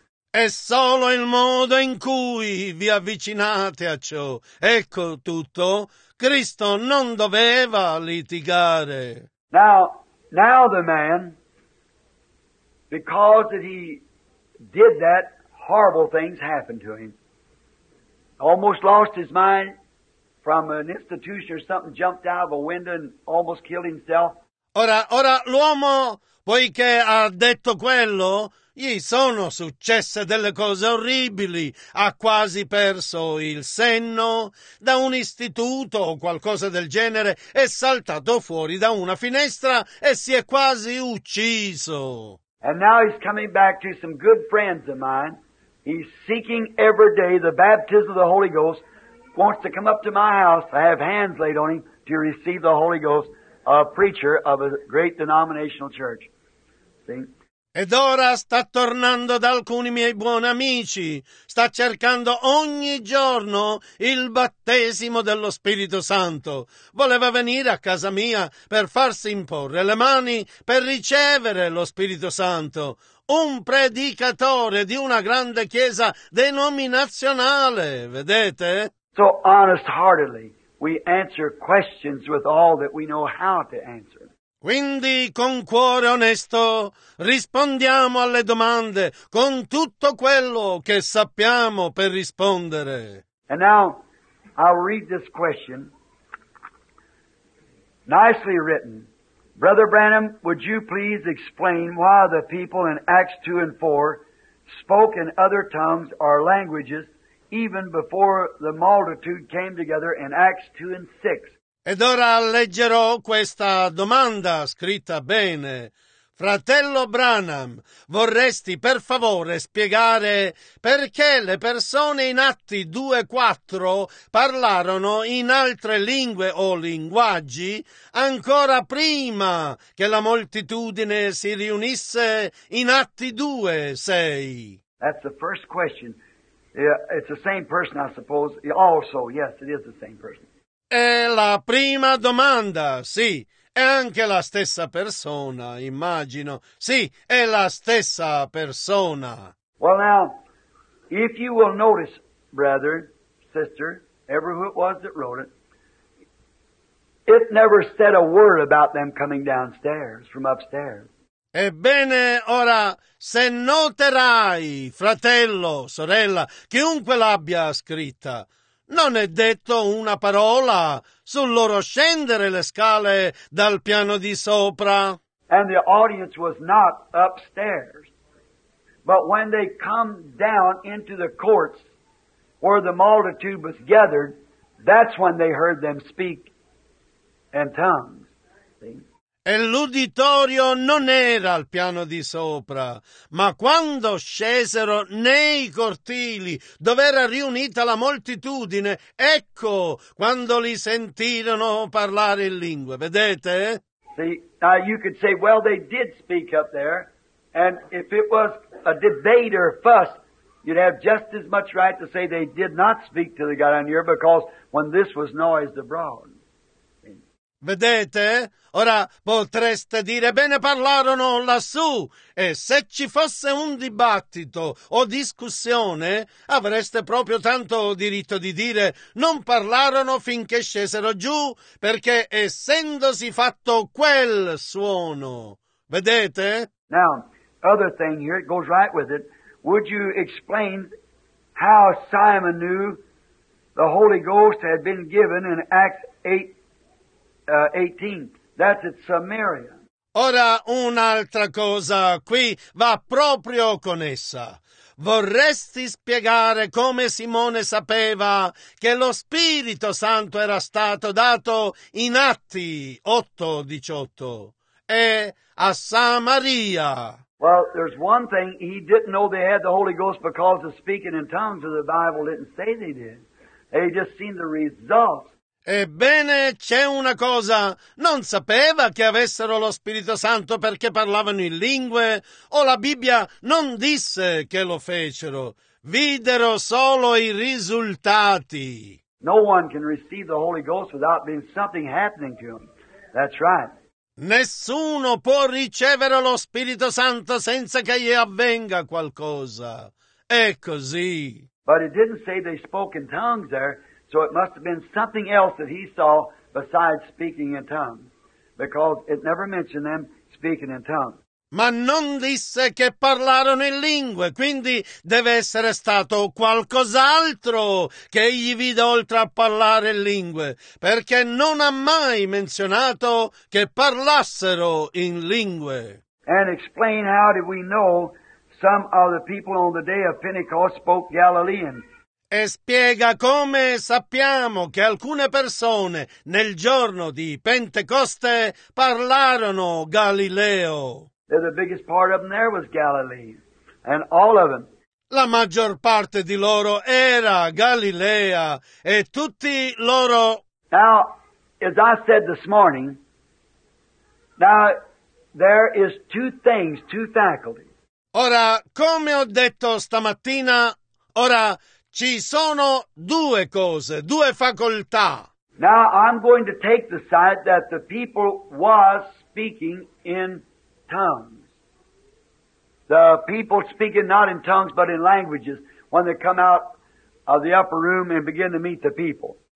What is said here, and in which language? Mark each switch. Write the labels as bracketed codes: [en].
[it] È solo il modo in cui vi avvicinate a ciò. Ecco tutto. Cristo non doveva litigare. [en] Now the man, because that he did that, horrible things happened to him. Almost lost his mind from an institution or something, jumped out of a window and almost killed himself. [it] Ora l'uomo, poiché ha detto quello, gli sono successe delle cose orribili. Ha quasi perso il senno da un istituto o qualcosa del genere. È saltato fuori da una finestra e si è quasi ucciso. [en] And now he's coming back to some good friends of mine. He's seeking every day the baptism of the Holy Ghost. Wants to come up to my house. I have hands laid on him to receive the Holy Ghost. A preacher of a great denominational church. [it] Ed ora sta tornando da alcuni miei buoni amici. Sta cercando ogni giorno il battesimo dello Spirito Santo. Voleva venire a casa mia per farsi imporre le mani per ricevere lo Spirito Santo. Un predicatore di una grande chiesa denominazionale, vedete? [en] So honest heartedly. We answer questions with all that we know how to answer. [it] Quindi, con cuore onesto, rispondiamo alle domande con tutto quello che sappiamo per rispondere. [en] And now, I'll read this question. Nicely written. Brother Branham, would you please explain why the people in Acts 2 and 4 spoke in other tongues or languages even before the multitude came together in Acts 2 and 6. [it] Ed ora leggerò questa domanda scritta bene. Fratello Branham, vorresti per favore spiegare perché le persone in Atti 2 e 4 parlarono in altre lingue o linguaggi ancora prima che la moltitudine si riunisse in Atti 2 e 6? [en] That's the first question. Yeah, it's the same person, I suppose. Also, yes, it is the same person. [it] È la prima domanda, sì. È anche la stessa persona, immagino. Sì, è la stessa persona. [en] Well, now, if you will notice, brother, sister, ever who it was that wrote it, it never said a word about them coming downstairs, from upstairs. [it] Ebbene, ora, se noterai, fratello, sorella, chiunque l'abbia scritta, non è detto una parola sul loro scendere le scale dal piano di sopra. [en] And the audience was not upstairs. But when they come down into the courts where the multitude was gathered, that's when they heard them speak in tongues. [it] E l'uditorio non era al piano di sopra, ma quando scesero nei cortili, dove era riunita la moltitudine, ecco quando li sentirono parlare in lingue. Vedete? [en] See, you could say, well, they did speak up there, and if it was a debater fuss, you'd have just as much right to say they did not speak to the God on here, because when this was noised abroad. [it] Vedete? Ora potreste dire, bene, parlarono lassù, e se ci fosse un dibattito o discussione, avreste proprio tanto diritto di dire, non parlarono finché scesero giù, perché essendosi fatto quel suono. Vedete? [en] Now, other thing here, it goes right with it. Would you explain how Simon knew the Holy Ghost had been given in Acts 8? 18. That's at Samaria. [it] Ora un'altra cosa qui va proprio con essa. Vorresti spiegare come Simone sapeva che lo Spirito Santo era stato dato in Atti 8:18 e a Samaria? [en] Well, there's one thing, he didn't know they had the Holy Ghost because of speaking in tongues, or the Bible didn't say they did. They just seen the results. [it] Ebbene, c'è una cosa. Non sapeva che avessero lo Spirito Santo perché parlavano in lingue, o la Bibbia non disse che lo fecero. Videro solo i risultati. [en] No one can receive the Holy Ghost without being something happening to him. That's right. [it] Nessuno può ricevere lo Spirito Santo senza che gli avvenga qualcosa. È così. [en] But it didn't say they spoke in tongues there. So it must have been something else that he saw besides speaking in tongues, because it never mentioned them speaking in tongues. [it] Ma non disse che parlarono in lingue, quindi deve essere stato qualcos'altro che egli vide oltre a parlare in lingue, perché non ha mai menzionato che parlassero in lingue. [en] And explain how did we know some of the people on the day of Pentecost spoke Galilean? [it] E spiega come sappiamo che alcune persone nel giorno di Pentecoste parlarono Galileo. [en] The biggest part of them there was Galilee, and all of them. [it] La maggior parte di loro era Galilea, e tutti loro. [en] Now, as I said this morning, now there is two things, two faculties. [it] Ora, come ho detto stamattina, ora. Ci sono due cose, due facoltà. [en] Now I'm going to take the side that the people was speaking in tongues. The people speaking not in tongues but in languages when they come out of the upper room and begin to meet the people.